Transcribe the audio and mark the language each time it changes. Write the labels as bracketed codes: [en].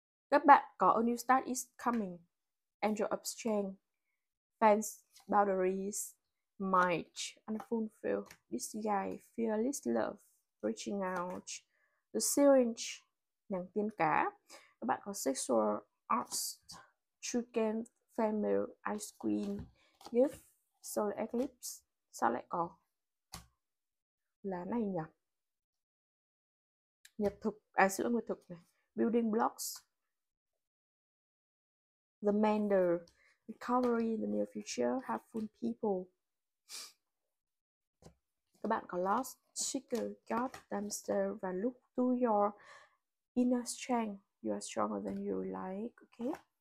[vi] Các bạn có A New Start is Coming, Angel of Strength, Fence, Boundaries, Might, Unfulfilled, This Guy, Fearless Love, Reaching Out, The Syringe, Nàng Tiên Cá. Các bạn có Sexual Arts, True Can, Female, Ice Queen, Gift, Solar Eclipse. Sao lại có lá này nhỉ? Nhật thực, à sữa nguyệt thực này. [en] Building Blocks, The Mender, Recovery, The Near Future, Helpful People. [vi] Các bạn có Lost, Seeker, God, Dumpster và Look to Your Inner Strength. [en] You are stronger than you like. Ok.